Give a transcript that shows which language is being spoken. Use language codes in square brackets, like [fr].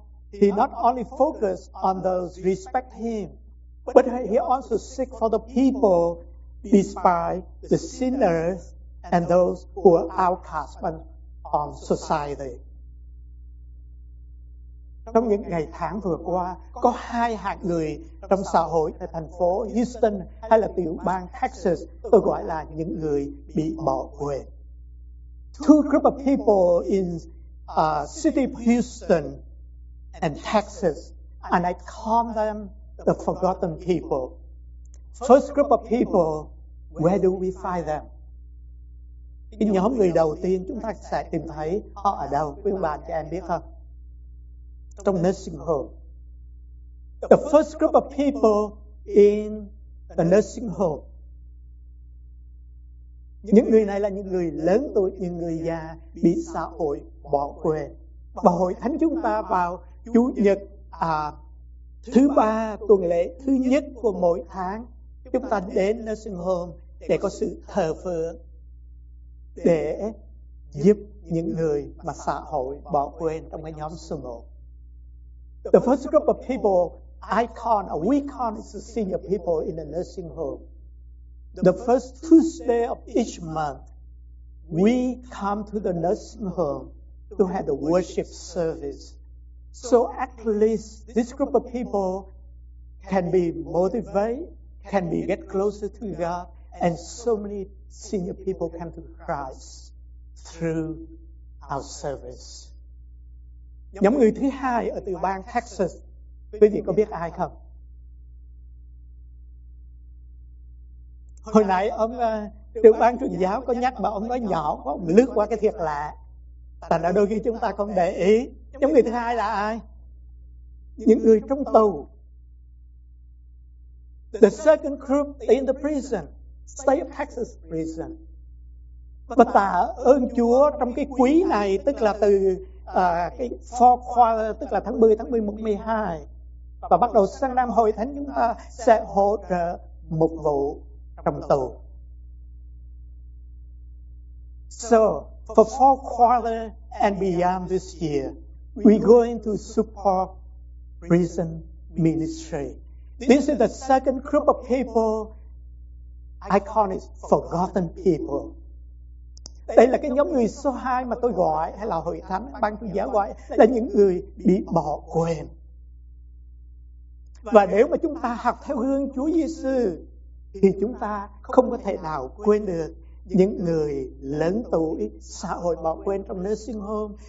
[en] He not only focus on those respect him, but He also seek for the people despite the sinners and those who are outcast on society. [vi] Trong những ngày tháng vừa qua, có hai hạng người trong xã hội tại thành phố Houston hay là tiểu bang Texas, tôi gọi là những người bị bỏ quên. [en] Two group of people in city of Houston and Texas, and I call them the forgotten people. First group of people, where do we find them? [vi] Cái nhóm người đầu tiên chúng ta sẽ tìm thấy họ ở đâu? Quý ông bà cho em biết không? Trong nursing home. [en] The first group of people in the nursing home. [vi] Những người này là những người lớn tuổi, những người già bị xã hội bỏ quên. Và hội thánh chúng ta vào Chủ nhật thứ ba tuần lễ thứ nhất của mỗi tháng, chúng ta đến nursing home để có sự thờ phượng, để giúp những người mà xã hội bỏ quên trong cái nhóm số 1. [en] The first group of people I call, or we call, is the senior people in the nursing home. The first Tuesday of each month, we come to the nursing home to have the worship service. So at least this group of people can be motivated, can be get closer to God, and so many senior people come to Christ through our service. [vi] Nhóm người thứ hai ở từ bang Texas, quý vị có biết ai không? Hồi nãy ông trưởng ban truyền giáo có nhắc mà ông nói nhỏ, có ông lướt qua cái thiệt lạ. Tại đôi khi chúng ta không để ý. Nhóm người thứ hai là ai? Những người trong tù. [en] The second group in the prison, State of Texas prison. [vi] Và tạ ơn Chúa trong cái quý này, tức là từ cái four quarter, tức là tháng 10, tháng 11, 12. Và bắt đầu sang năm, hội thánh chúng ta sẽ hỗ trợ một vụ trong tù. [en] So, for four quarter and beyond this year, we going to support prison ministry. This is the second group of people I call it forgotten people. [vi] Đây là cái nhóm người số 2 mà tôi gọi, hay là hội thánh, ban tuyên giáo gọi, là những người bị bỏ quên. Và nếu mà chúng ta học theo gương Chúa Giê-xu, thì chúng ta không có thể nào quên được những người lớn tuổi, xã hội bỏ quên trong nursing home.